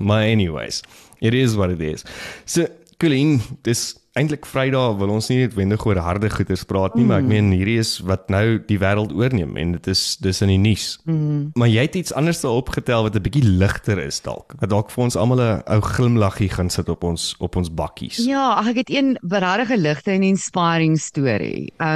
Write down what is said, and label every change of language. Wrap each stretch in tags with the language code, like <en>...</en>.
<en>Maar anyways, it is what it is.</en> <af>So, Colleen, dis eindelijk Vrydag, wil ons nie net wendig oor harde goeders praat nie, maar ek meen, hierdie is wat nou die wêreld oorneem, en dit is in die nuus. Maar jy het iets anders opgetel wat 'n bietjie ligter is dalk, wat dalk vir ons allemaal 'n ou glimlaggie gaan sit op ons bakkies. Ja, ek het een berarige ligte en inspiring story.</af>